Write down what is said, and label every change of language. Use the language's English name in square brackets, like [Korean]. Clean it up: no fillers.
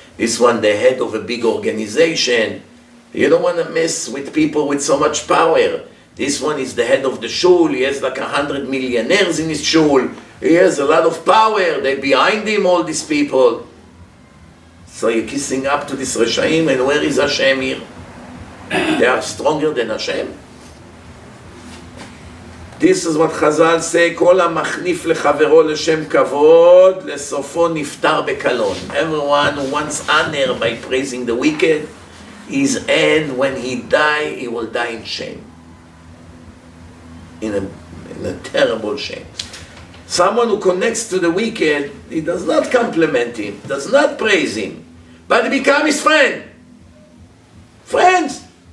[English] This one, the head of a big organization. You don't want to mess with people with so much power. This one is the head of the shul. He has like 100 millionaires in his shul. He has a lot of power. They're behind him, all these people. So you're kissing up to this Reshaim, and where is Hashem here? They are stronger than Hashem. This is what Chazal say, [Hebrew] כל המחניף לחברו לשם כבוד, לסופו נפטר בקלון. [English] Everyone who wants honor by praising the wicked, his end, when he die, he will die in shame. In a terrible shame. Someone who connects to the wicked, he does not compliment him, does not praise him, but he becomes his friend. Friends!